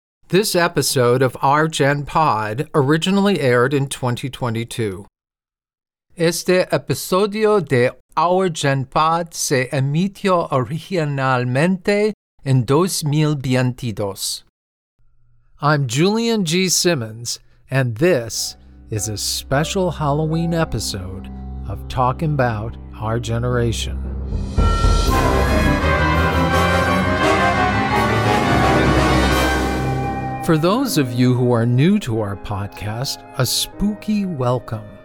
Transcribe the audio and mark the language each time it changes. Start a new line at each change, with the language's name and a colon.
English: This episode of Our Gen Pod originally aired in 2022.
Spanish: Este episodio de Our Gen Pod se emitió originalmente en 2022.
English: I'm Julian G. Simmons, and this is a special Halloween episode of Talking About Our Generation. For those of you who are new to our podcast, a spooky welcome.